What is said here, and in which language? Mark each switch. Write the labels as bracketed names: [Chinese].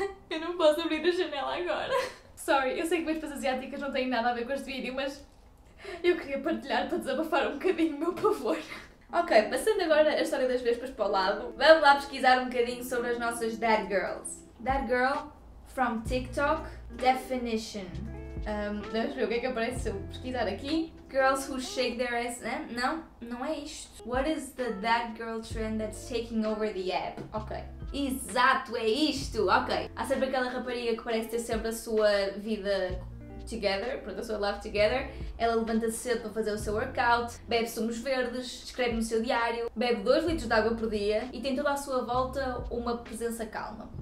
[Portuguese] Eu não posso abrir a janela agora. Sorry, eu sei que vespas asiáticas não têm nada a ver com este vídeo, mas eu queria partilhar para desabafar um bocadinho o meu pavor. Ok, passando agora a história das vespas para o lado, vamos lá pesquisar um bocadinho sobre as nossas Bad Girls. [English] Bad Girl from TikTok definition. [Portuguese] Vamos ver o que é que aparece se eu pesquisar aqui. [English] Girls who shake their ass. [Portuguese] Não, não é isto. [English] What is the Bad Girl trend that's taking over the app? [Portuguese] Ok. Exato, é isto! Ok. Há sempre aquela rapariga que parece ter sempre a sua vida [English] together, [Portuguese] pronto, a sua [English] life together. [Portuguese] Ela levanta-se cedo para fazer o seu workout, bebe sumos verdes, escreve no seu diário, bebe 2 litros de água por dia e tem toda à sua volta uma presença calma.